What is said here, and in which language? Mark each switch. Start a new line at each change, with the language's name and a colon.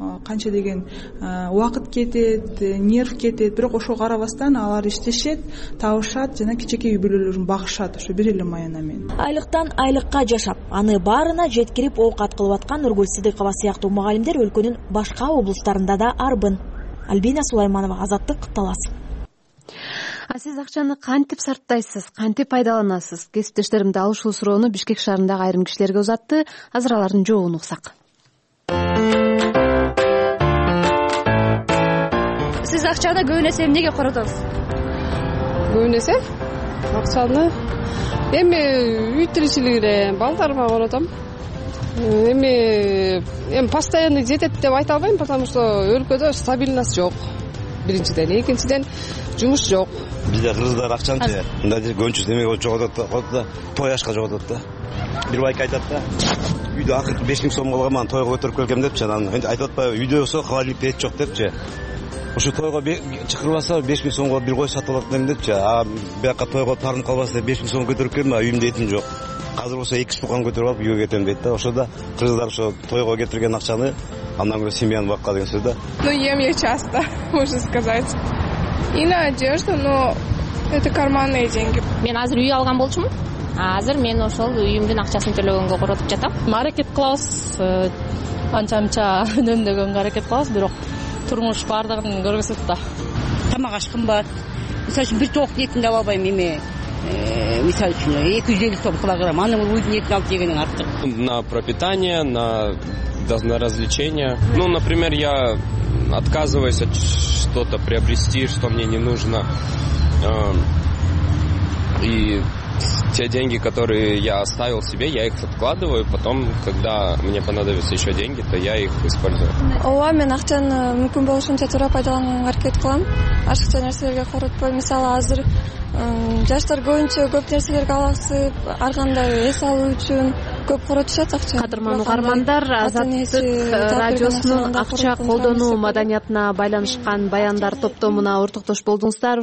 Kyrgyz: Канча деген убакыт кетет, нерв кетет, бирок ошого карабастан алар иштешет, табышат жана кичинекей үй бүлөлөрүн багышат ушу бир эле маяна менен. Айлыктан айлыкка жашап, аны баарына жеткирип оокат кылып аткан Нургүл Сыдыкова сыяктуу мугалимдер өлкөнүн башка облустарында да арбын. Альбина Сулайманова, Азаттык, Талас. А сиз акчаны кантип сарптайсыз, кантип пайдаланасыз? Кесиптештеримди ал ушул суроону Бишкек шаарындагы айрым кишилерге узатты. Азыр алардын жообун уксак. Сиз акчаны көбүн эсе эмнеге коротосуз? Көбүн эсе акчаны эми үй тиричилигине, балдарыма коротом. Эми
Russian: постоянный
Kyrgyz: жетет деп айта албайм,
Russian: потому что
Kyrgyz: өлкөдө
Russian: стабильность
Kyrgyz: жок. Биринчиден, экинчиден жумуш жок. Бизде кыргыздар акчаны тие. Мында же көнчүс эмне болуп жоготот да, кот да, той ашка жоготот да. Бир байка айтат да. Үйдө акыркы 5000 сом болгон маны тойго көтөрүп келгем депчи, анан энди айтып атпайбы, үйдө болсо халалдык эт жок депчи. Ошо тойго чакырбаса 5000 сомго бир кой сатып алат деген депчи. А бияка тойго тарынып калбаса 5000 сом көтөрүп келме, үйүмдө этим жок. Азыр болсо 2 сукан көтөрүп алып үйгө кетем дейт да. Ошо да кыргыздар ошо тойго кетирген акчаны андан көрө семьяны бакка деген сөз да.
Russian: Ну ем я часто, можно сказать. И на одежду, но это карманные деньги.
Kyrgyz: Мен азыр үй алган болчумун. Азыр мен ошол үйүмдүн акчасын төлөгөнгө коротуп жатам. Аракет кылабыз. Анча-мынча үнөмдөгөнгө аракет кылабыз, бирок турмуш баардыгын көргөзөт да. Тамак аш кымбат. Мисалы үчүн бир тоок этин да албайм эми. Мисалы үчүн 250 сом килограмм, аны бул уйдун этин алып жегенден артык.
Russian: На пропитание, на развлечения. Ну, например, я отказываюсь от что-то приобрести, что мне не нужно. И те деньги, которые я оставил себе, я их откладываю. Потом, когда мне понадобятся еще деньги, то я их использую.
Kyrgyz: Ооба, мен акчаны мүмкүн болушунча туура пайдаланганга аракет кылам. Ашыкча нерселерге коротпойм. Мисалы, азыр жаштар көбүнчө көп нерселерге алаксып, ар кандай эс алуу үчүн көп коротушат акча. Кадырман угармандар, Азаттык радиосунун акча колдонуу маданиятына байланышкан баяндар топтомуна ортоктош болдуңуздар.